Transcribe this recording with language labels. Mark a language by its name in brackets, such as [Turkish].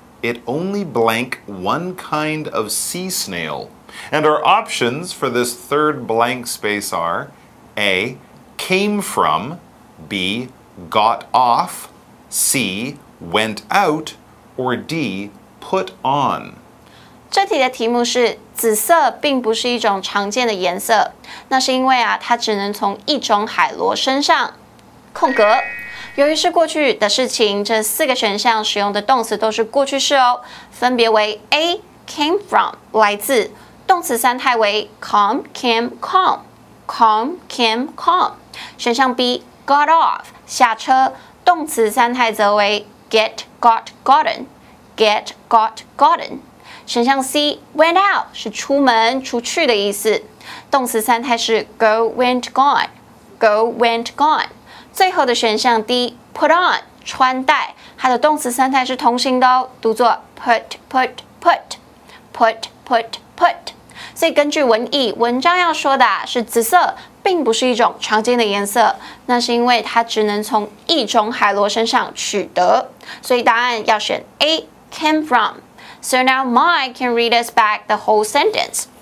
[English] It only blank one kind of sea snail. And our options for this third blank space are A, came from, B, got off, C, went out, or D, put on. [Chinese] 这题的题目是紫色并不是一种常见的颜色，那是因为啊，它只能从一种海螺身上，空格。由于是过去的事情，这四个选项使用的动词都是过去式哦，分别为 A, came from, 来自，动词三态为 [English] come, came, come, come, came, come, [Chinese] 选项 B, got off, 下车，动词三态则为 [English] get, got, gotten, get, got, gotten, 选项 C, went out, [Chinese] 是出门、出去的意思，动词三态是 [English] go, went, gone, go, went, gone, [Chinese] 最后的选项 [English] D, put on, [Chinese] 穿戴，它的动词三态是同形的哦，读作 [English] put, put, put, put, put, put. [Chinese] 所以根据文意，文章要说的是紫色并不是一种常见的颜色，那是因为它只能从一种海螺身上取得，所以答案要选 A, came from. [English] So now Mike can read us back the whole sentence.